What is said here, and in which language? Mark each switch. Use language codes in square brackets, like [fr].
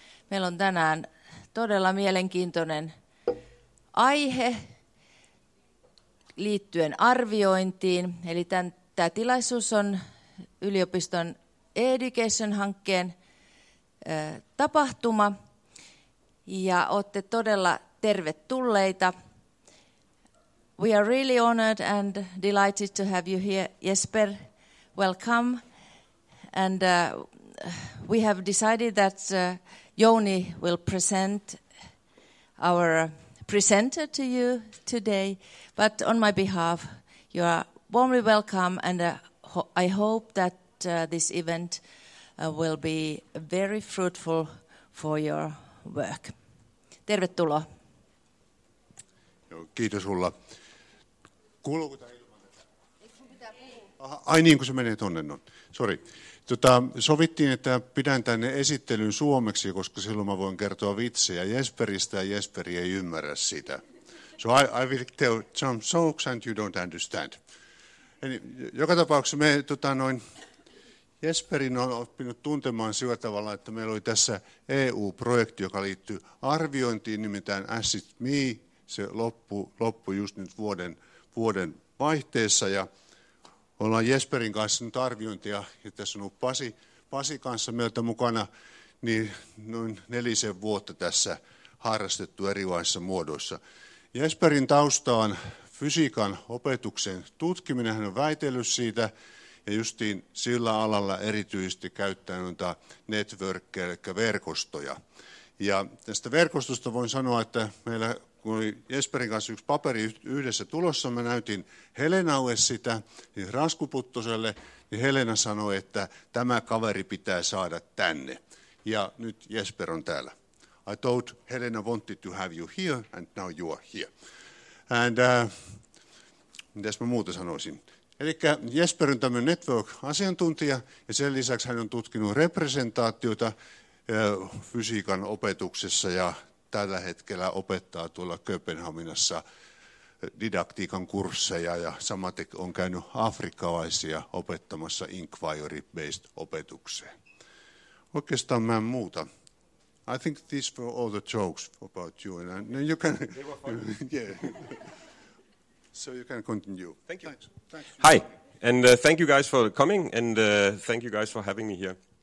[fi] Meillä on tänään todella mielenkiintoinen aihe liittyen arviointiin. Eli tämä tilaisuus on yliopiston Education-hankkeen tapahtuma. Ja olette todella tervetulleita. [en] We are really honored and delighted to have you here, Jesper. Welcome. And we have decided that Jouni will present our presenter to you today. But on my behalf, you are warmly welcome. And I hope that this event will be very fruitful for your work. [fi] Tervetuloa. Kiitos, Ulla. Kuuluuko tämä ilman? Ai niin, kun se menee tuonne. No. Sori. Sovittiin, että pidän tänne esittelyn suomeksi, koska silloin mä voin kertoa vitsejä Jesperistä, ja Jesperi ei ymmärrä sitä. [en] So I will tell some jokes and you don't understand. [fi] Eli joka tapauksessa me Jesperin on oppinut tuntemaan sillä tavalla, että meillä oli tässä EU-projekti, joka liittyy arviointiin, nimittäin As It Me. Se loppui just nyt vuoden vaihteessa, ja ollaan Jesperin kanssa nyt arviointia, ja tässä on ollut Pasi kanssa meiltä mukana, niin noin nelisen vuotta tässä harrastettu erilaisissa muodoissa. Jesperin tausta on fysiikan opetuksen tutkiminen, hän on väitellyt siitä, ja justiin sillä alalla erityisesti käyttänyt networkia, eli verkostoja. Ja tästä verkostosta voin sanoa, että meillä kun oli Jesperin kanssa yksi paperi yhdessä tulossa, mä näytin Helenalle sitä, niin Rasku Puttoselle, niin Helena sanoi, että tämä kaveri pitää saada tänne. Ja nyt Jesper on täällä. [en] I told Helena wanted to have you here, and now you are here. [fi] And mitäs mä muuta sanoisin? Eli Jesper on tämmöinen network-asiantuntija, ja sen lisäksi hän on tutkinut representaatiota fysiikan opetuksessa ja tällä hetkellä opettaa tuolla Kööpenhaminassa didaktiikan kursseja ja samaten on käynyt afrikkalaisia opettamassa inquiry-based opetukseen. Oikeastaan mä en muuta. [en] I think these were all the jokes about you. And then you can, yeah. So you can continue. Thank you. Thanks. Hi, and thank you guys for coming and thank you guys for having me here.